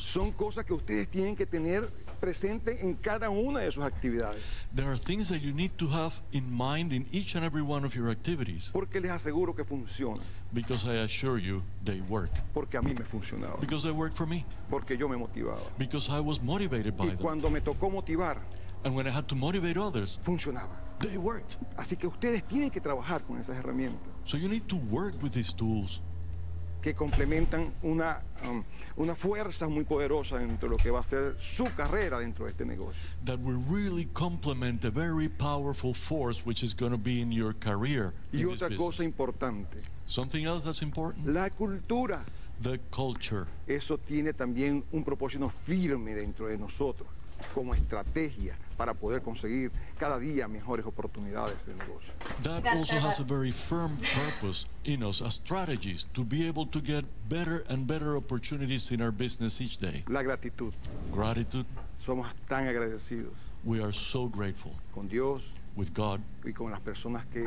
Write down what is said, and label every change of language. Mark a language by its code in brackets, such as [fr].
[es] Son cosas que ustedes tienen que tener presente en cada una de sus actividades. [en] There are things that you need to have in mind in each and every one of your activities. [es] Porque les aseguro que funciona. [en] Because I assure you they work. [es] Porque a mí me funcionaba. [en] Because they work for me. [es] Porque yo me motivaba. [en] Because I was motivated by them. [es] Y cuando me tocó motivar. [en] And when I had to motivate others. [es] Funcionaba. [en] They worked. [es] Así que ustedes tienen que trabajar con esas herramientas. [en] So you need to work with these tools. [es] Que complementan una fuerza muy poderosa dentro de lo que va a ser su carrera dentro de este negocio. [en] That will really complement a very powerful force which is going to be in your career. [es] Y otra cosa importante. [en] Something else that's important. [es] La cultura. [en] The culture. [es] Eso tiene también un propósito firme dentro de nosotros como estrategia para poder conseguir cada día mejores oportunidades de negocio. [en] That also has a very firm purpose in us as strategies to be able to get better and better opportunities in our business each day. [es] La gratitud. [en] Gratitude. [es] Somos tan agradecidos. [en] We are so grateful. [es] Con Dios. [en] With God. [es] Y con las personas que